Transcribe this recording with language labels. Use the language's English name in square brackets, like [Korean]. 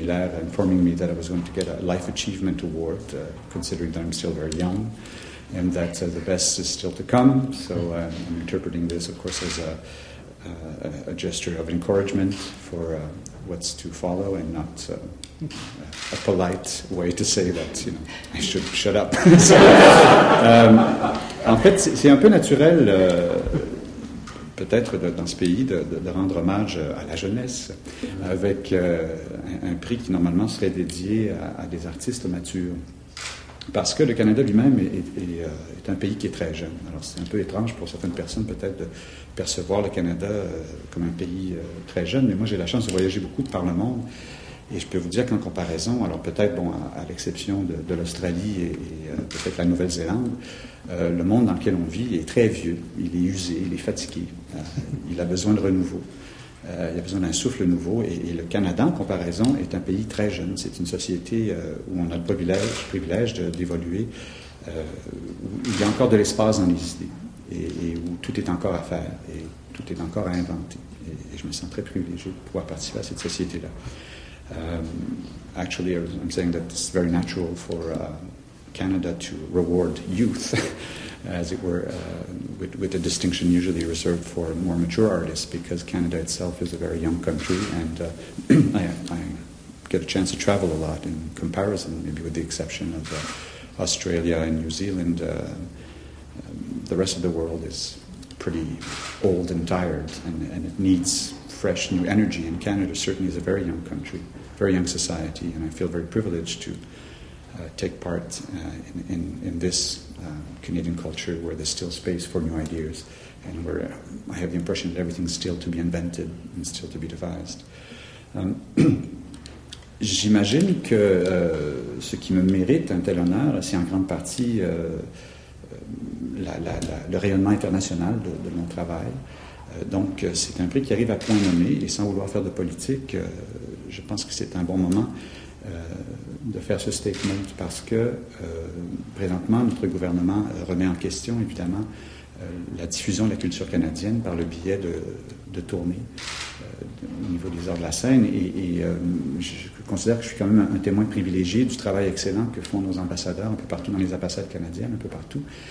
[English] Miller informing me that I was going to get a Life Achievement Award, considering that I'm still very young, and that the best is still to come. So I'm interpreting this, of course, as a gesture of encouragement for what's to follow, and not a polite way to say that, you know, I should shut up. [French] So, en fait, c'est un peu naturel, peut-être, dans ce pays, de rendre hommage à la jeunesse, avec un prix qui, normalement, serait dédié à des artistes matures. Parce que le Canada lui-même est un pays qui est très jeune. Alors, c'est un peu étrange pour certaines personnes, peut-être, de percevoir le Canada comme un pays très jeune. Mais moi, j'ai la chance de voyager beaucoup de par le monde. Et je peux vous dire qu'en comparaison, alors peut-être, bon, à l'exception de l'Australie et peut-être la Nouvelle-Zélande, le monde dans lequel on vit est très vieux. Il est usé, il est fatigué. Il a besoin de renouveau. Il a besoin d'un souffle nouveau. Et le Canada, en comparaison, est un pays très jeune. C'est une société où on a le privilège d'évoluer, où il y a encore de l'espace dans les idées et où tout est encore à faire et tout est encore à inventer. Et je me sens très privilégié de pouvoir participer à cette société-là. [English] Actually, I'm saying that it's very natural for Canada to reward youth, as it were, with a distinction usually reserved for more mature artists, because Canada itself is a very young country, and I get a chance to travel a lot in comparison, maybe with the exception of Australia and New Zealand. The rest of the world is pretty old and tired, and it needs fresh new energy, and Canada certainly is a very young country. Very young society, and I feel very privileged to take part in this Canadian culture where there's still space for new ideas, and where I have the impression that everything's still to be invented and still to be devised. [French] J'imagine que ce qui me mérite un tel honneur, c'est en grande partie le rayonnement international de mon travail. Donc, c'est un prix qui arrive à point nommé, et sans vouloir faire de politique, je pense que c'est un bon moment de faire ce statement, parce que, présentement, notre gouvernement remet en question, évidemment, la diffusion de la culture canadienne par le biais de tournées au niveau des arts de la scène, et je considère que je suis quand même un témoin privilégié du travail excellent que font nos ambassadeurs un peu partout dans les ambassades canadiennes, un peu partout.